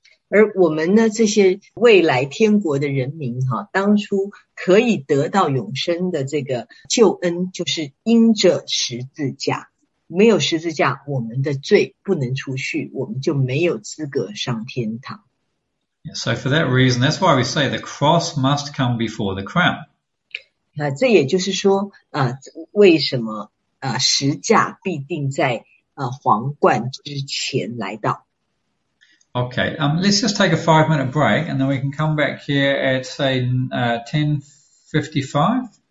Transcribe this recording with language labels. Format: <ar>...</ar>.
<zh>而我们呢，这些未来天国的人民啊，当初可以得到永生的这个救恩，就是因着十字架。没有十字架，我们的罪不能除去，我们就没有资格上天堂。</zh> <en>Yeah, so for that reason, that's why we say the cross must come before the crown.</en> <zh>这也就是说为什么十架必定在皇冠之前来到。</zh> <en>Okay, let's just take a 5-minute break and then we can come back here at say 10:55.</en>